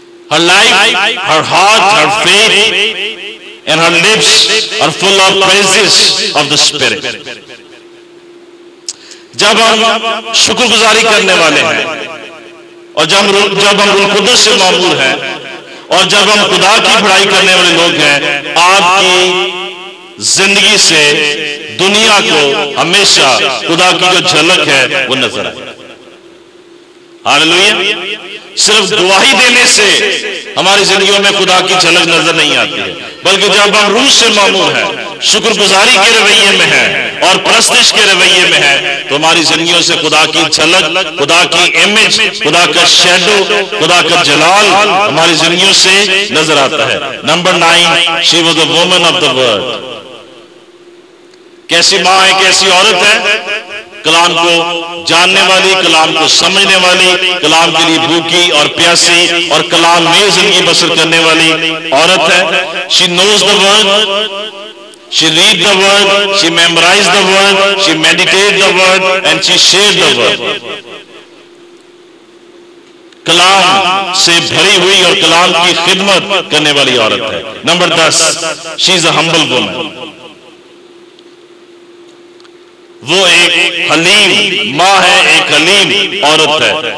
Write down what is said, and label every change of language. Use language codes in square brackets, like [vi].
[en] Her life, her heart, her faith and her lips are full of praises of the Spirit. [ur] جب ہم شکر گزاری کرنے والے ہیں اور جب ہم روح القدس سے معمور ہیں اور جب ہم خدا کی بڑائی کرنے والے لوگ ہیں, آپ کی زندگی سے دنیا کو ہمیشہ خدا کی جو جھلک ہے وہ نظر آئے. ہالیلویہ. صرف گواہی دینے سے ہماری زندگیوں میں خدا کی جھلک نظر نہیں آتی ہے, بلکہ جب ہم روح سے معمور ہیں, شکر گزاری کے رویے میں ہیں اور پرستش کے رویے میں ہیں تو ہماری زندگیوں سے خدا کی جھلک, خدا کی امیج, خدا کا شیڈو, خدا کا جلال ہماری زندگیوں سے نظر آتا ہے. [en] Number 9, she was a woman of the world. [ur] کیسی ماں ہے, کیسی عورت ہے, کلام کو جاننے والی, کلام کو سمجھنے والی, کلام کے لیے بھوکی اور پیاسی اور کلام میں زندگی بسر کرنے والی عورت ہے. [en] She knows the word, she read the word, she memorise the word, she meditate the word and she share the word. [ur] کلام سے بھری ہوئی اور کلام کی خدمت کرنے والی عورت ہے. [en] Number 10, she is a humble woman. [ur] وہ ایک حلیم ماں ہے, ایک حلیم عورت ہے.